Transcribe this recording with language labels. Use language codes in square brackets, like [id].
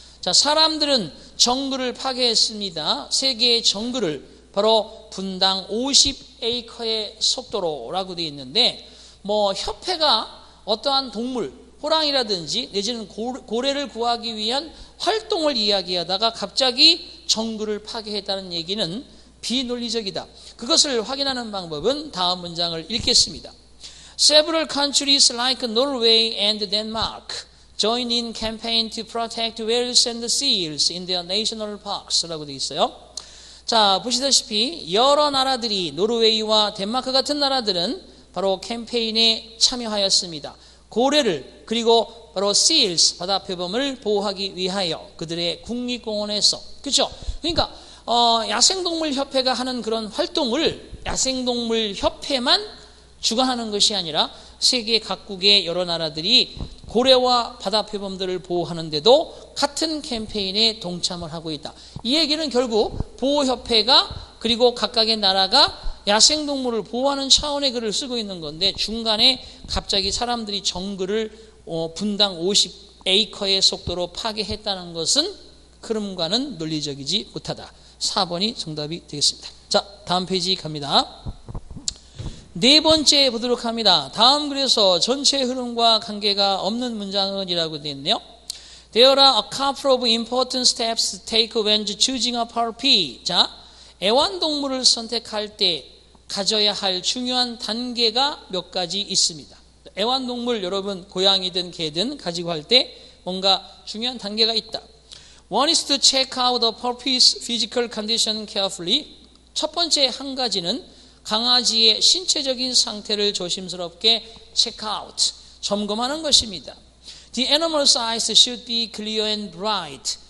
[ko] 자, 사람들은 정글을 파괴했습니다. 세계의 정글을 바로 분당 50에이커의 속도로라고 되어 있는데 뭐 협회가 어떠한 동물, 호랑이라든지 내지는 고래를 구하기 위한 활동을 이야기하다가 갑자기 정글을 파괴했다는 얘기는 비논리적이다. 그것을 확인하는 방법은 다음 문장을 읽겠습니다. [en] Several countries like Norway and Denmark join in campaign to protect whales and seals in their national parks [ko] 라고 되어 있어요. 자, 보시다시피 여러 나라들이 노르웨이와 덴마크 같은 나라들은 바로 캠페인에 참여하였습니다. 고래를 그리고 바로 seals 바다표범을 보호하기 위하여 그들의 국립공원에서, 그렇죠? 그러니까 야생동물협회가 하는 그런 활동을 야생동물협회만 주관하는 것이 아니라 세계 각국의 여러 나라들이 고래와 바다표범들을 보호하는데도 같은 캠페인에 동참을 하고 있다. 이 얘기는 결국 보호협회가 그리고 각각의 나라가 야생동물을 보호하는 차원의 글을 쓰고 있는 건데 중간에 갑자기 사람들이 정글을 분당 50에이커의 속도로 파괴했다는 것은 흐름과는 논리적이지 못하다. 4번이 정답이 되겠습니다. 자, 다음 페이지 갑니다. 네 번째 보도록 합니다. 다음 그래서 전체 흐름과 관계가 없는 문장은 이라고 되어 있네요. [en] There are a couple of important steps to take when choosing a puppy. [ko] 자, 애완동물을 선택할 때 가져야 할 중요한 단계가 몇 가지 있습니다. 애완동물 여러분 고양이든 개든 가지고 할 때 뭔가 중요한 단계가 있다. [en] One is to check out the puppy's physical condition carefully. [ko] 첫 번째 한 가지는 강아지의 신체적인 상태를 조심스럽게 [en] check out, [ko] 점검하는 것입니다. [en] The animal's eyes should be clear and bright.